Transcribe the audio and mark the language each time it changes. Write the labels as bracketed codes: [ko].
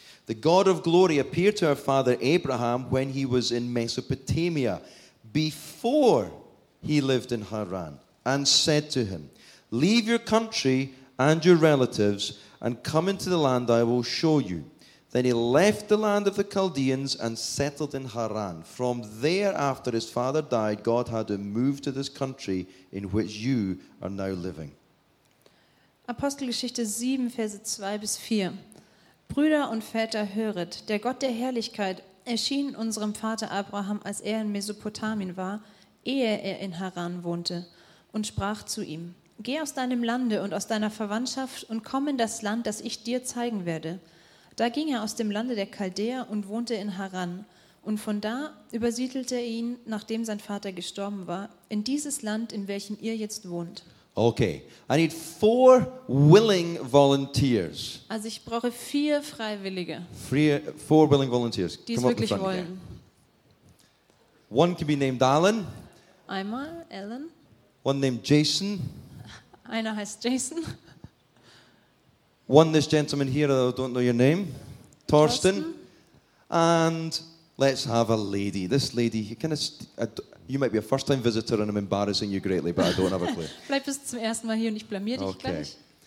[en] The God of glory appeared to our father Abraham when he was in Mesopotamia, before he lived in Haran, and said to him, leave your country and your relatives and come into the land I will show you. Then he left the land of the Chaldeans and settled in Haran. From there, after his father died, God had him move to this country in which you are now living. [de] Apostelgeschichte 7, Verse 2 bis 4. Brüder und Väter, höret, der Gott der Herrlichkeit erschien unserem Vater Abraham, als er in Mesopotamien war, ehe er in Haran wohnte, und sprach zu ihm, Geh aus deinem Lande und aus deiner Verwandtschaft und komm in das Land, das ich dir zeigen werde. Da ging er aus dem Lande der Chaldäer und wohnte in Haran. Und von da übersiedelte er ihn, nachdem sein Vater gestorben war, in dieses Land, in welchem ihr jetzt wohnt. [en] Okay, I need 4 willing volunteers. [de] Also ich brauche 4 Freiwillige. [en] 4 willing volunteers. [de] Die es wirklich wollen. [en] One can be named Alan. [de] Einmal Alan. [en] One named Jason. [de] Einer heißt Jason. [en] One this gentleman here, I don't know your name. Thorsten. And let's have a lady. This lady, you might be a first-time visitor and I'm embarrassing you greatly, but I don't have a clue. [de] Bleib bis zum ersten Mal hier und ich blamiere dich gleich.